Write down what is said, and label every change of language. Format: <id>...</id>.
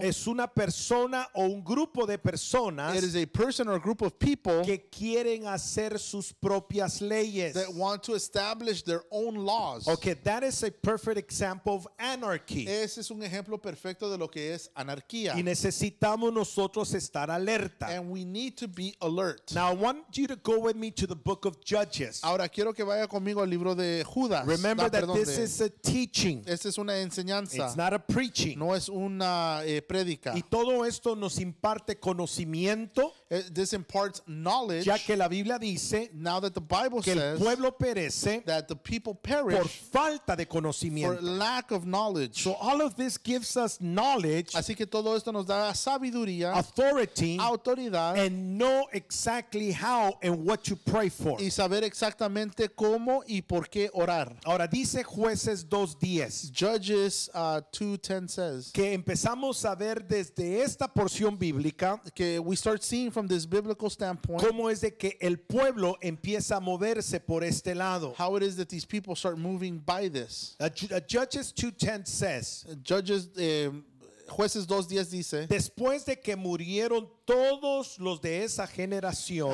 <es>es una persona o un grupo de personas.</es> <en>It is a person or a group of people</en> <es>que quieren hacer sus propias leyes.</es> <en>That want to establish their own laws. Okay, that is a perfect example of anarchy.</en> <es>Ese es un ejemplo perfecto de lo que es anarquía. Y necesitamos nosotros estar alerta.</es> <en>And we need to be alert. Now I want you to go with me to the book of Judges.</en> <es>Ahora quiero que vaya conmigo al libro de Judas.</es> <en>Remember that this is a teaching.</en> <es>Esta es una enseñanza.</es> <en>It's not a preaching.</en> <es>No es una prédica. Y todo esto nos imparte conocimiento.</es> <en>This imparts knowledge.</en> <es>Ya que la Biblia dice,</es> <en>now that the Bible</en> <es>que</es> <en>says,</en> <es>que el pueblo perece,</es> <en>that the people perish,</en> <es>por falta de conocimiento,</es> <en>for lack of knowledge. So all of this gives us knowledge.</en> <es>Así que todo esto nos da sabiduría,</es> <en>authority,</en> <es>autoridad,</es> <en>and know exactly how and what to pray for.</en> <es>Y saber exactamente cómo y por qué orar. Ahora dice Jueces 2:10.</es> <en>Judges 2:10 says</en> <es>que empezamos a ver desde esta porción bíblica</es> <en>que we start seeing from this biblical standpoint</en> <es>cómo es de que el pueblo empieza a moverse por este lado.</es> <en>How it is that these people start moving by this. Judges 2:10 says</en> <es>Judges Jueces 2:10 dice después de que murieron todos los de esa generación,</es>